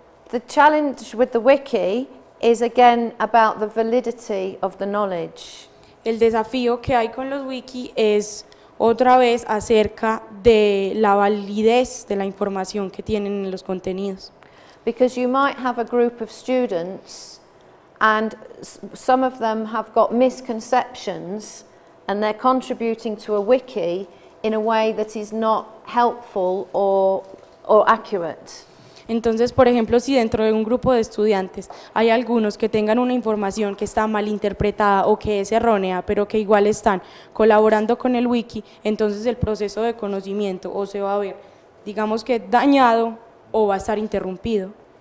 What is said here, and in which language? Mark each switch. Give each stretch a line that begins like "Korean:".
English: The challenge with the wiki is again about the validity of the knowledge.
Spanish: El desafío que hay con los wiki es otra vez acerca de la validez de la información que tienen en los contenidos.
English: Because you might have a group of students and some of them have got misconceptions and they're contributing to a wiki in a way that is not helpful or accurate.
Spanish: Entonces, por ejemplo, si dentro de un grupo de estudiantes hay algunos que tengan una información que está mal interpretada o que es errónea, pero que igual están colaborando con el wiki, entonces el proceso de conocimiento o se va a ver, digamos que dañado o va a estar interrumpido.